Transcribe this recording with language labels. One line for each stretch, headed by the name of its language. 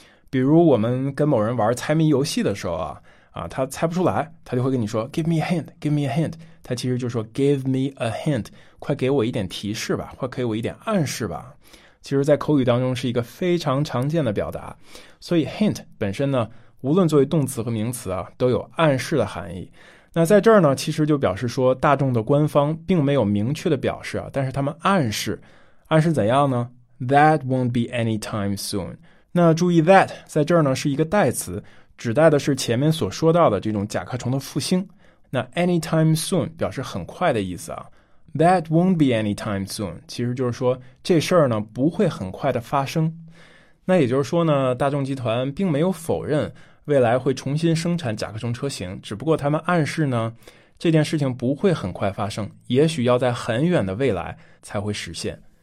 Chinese: 比如我们跟某人玩猜谜游戏的时候他猜不出来，他就会跟你说
English: give me a hint，
Chinese: give me a hint， 他其实就说 give me a hint， 快给我一点提示吧，快给我一点暗示吧。其实在口语当中是一个非常常见的表达，所以 hint 本身呢无论作为动词和名词啊，都有暗示的含义。那在这儿呢，其实就表示说大众的官方并没有明确的表示啊，但是他们暗示。暗示怎样呢？
English: That won't be anytime soon。
Chinese: 那注意 that 在这儿呢是一个代词，指代的是前面所说到的这种甲壳虫的复兴。那 anytime soon 表示很快的意思啊，
English: That won't be anytime soon
Chinese: 其实就是说这事儿呢不会很快的发生。那也就是说呢，大众集团并没有否认未来会重新生产甲壳虫车型，只不过他们暗示呢，这件事情不会很快发生，也许要在很远的未来才会实现。